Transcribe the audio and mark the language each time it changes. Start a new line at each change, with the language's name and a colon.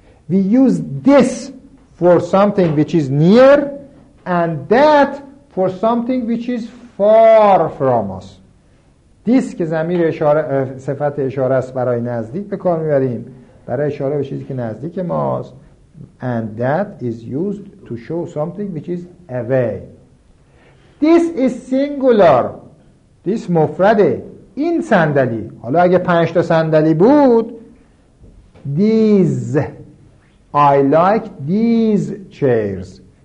English: We use this for something which is near and that for something which is far from us.
Persian: This که ضمیر اشاره صفت اشاره است برای نزدیک به کار میبریم، برای اشاره به چیزی که نزدیک ماست.
English: And that is used to show something which is away. This is singular. This مفرده.
Persian: این صندلی. حالا اگه 5 تا صندلی بود.
English: These. I like these chairs.